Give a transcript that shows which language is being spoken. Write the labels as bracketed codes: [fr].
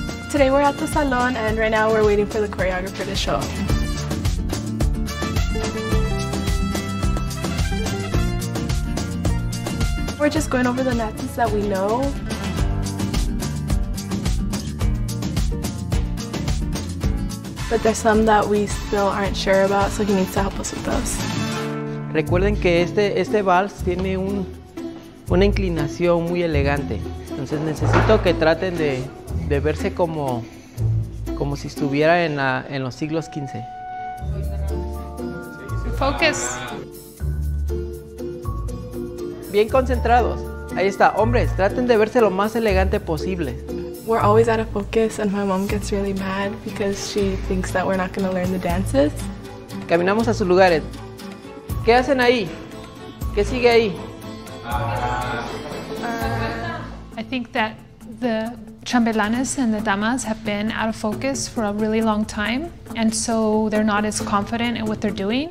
[en] Today we're at the salon, and right now we're waiting for the choreographer to show up. We're just going over the dances that we know. But there's some that we still aren't sure about, so he needs to help us with those. [es] Recuerden que este vals tiene una inclinación muy elegante. Entonces necesito que traten de verse como si estuviera en los siglos 15. [en] Focus. [es] Bien concentrados. Ahí está. Hombres, traten de verse lo más elegante posible. [en] We're always out of focus, and my mom gets really mad because she thinks that we're not going to learn the dances. [es] Caminamos a sus lugares. ¿Qué hacen ahí? ¿Qué sigue ahí? [en] I think that the chambelanes and the damas have been out of focus for a really long time, and so they're not as confident in what they're doing.